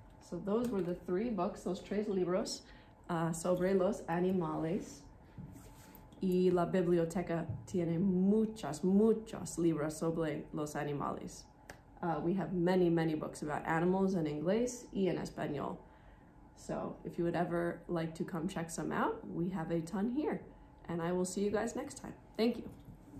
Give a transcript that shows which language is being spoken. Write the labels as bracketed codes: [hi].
[en] So those were the three books, those [es] tres libros, sobre los animales. Y la biblioteca tiene muchos libros sobre los animales. [en] We have many, many books about animals in inglés [es] y en español. [en] So if you would ever like to come check some out, we have a ton here. And I will see you guys next time. Thank you.